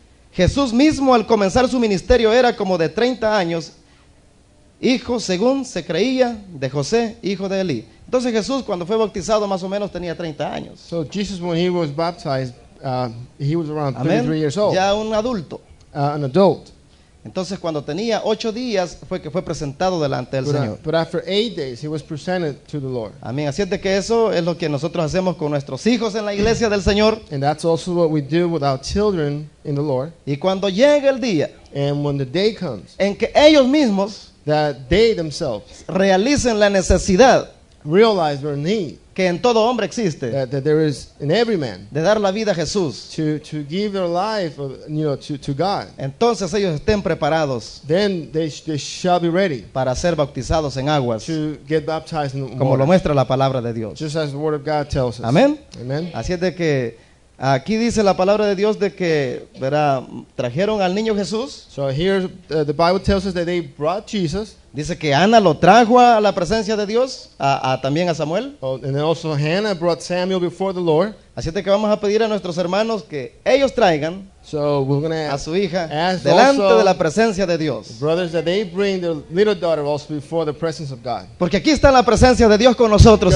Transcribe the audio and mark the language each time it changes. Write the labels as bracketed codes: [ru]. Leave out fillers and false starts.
[es] Jesús mismo al comenzar su ministerio era como de 30 años, hijo, según se creía, de José, hijo de Elí. Entonces Jesús, cuando fue bautizado, más o menos tenía 30 años. [en] So Jesus, when he was baptized, he was around 33 years old. [es] Ya un adulto. [en] An adult. [es] Entonces cuando tenía 8 días, fue que fue presentado delante del Señor. [en] But after 8 days, he was presented to the Lord. [es] Amén. Así es de que eso es lo que nosotros hacemos con nuestros hijos en la iglesia del Señor. [en] And that's also what we do with our children in the Lord. [es] Y cuando llega el día. [en] And when the day comes. [es] En que ellos mismos. [en] That they themselves [es] realicen la necesidad, [en] realize their need, [es] que en todo hombre existe, [en] that there is in every man, [es] de dar la vida a Jesús, [en] to give their life, you know, to God. [es] Entonces ellos estén preparados, [en] then they shall be ready, [es] para ser bautizados en aguas, [en] to get baptized in the water, [es] como lo muestra la palabra de Dios, [en] just as the word of God tells us. [es] Amén. [en] Amen. [es] Así es de que aquí dice la palabra de Dios de que, ¿verdad?, trajeron al niño Jesús. [en] So here the Bible tells us that they brought Jesus. [es] Dice que Ana lo trajo a la presencia de Dios, también a Samuel. [en] Oh, and also Hannah brought Samuel before the Lord. [es] Así es que vamos a pedir a nuestros hermanos que ellos traigan, [en] so we're gonna [es] a su hija [en] ask [es] delante [en] also [es] de la presencia de Dios. [en] Brothers, that they bring their little daughter also before the presence of God. [es] Porque aquí está la presencia de Dios con nosotros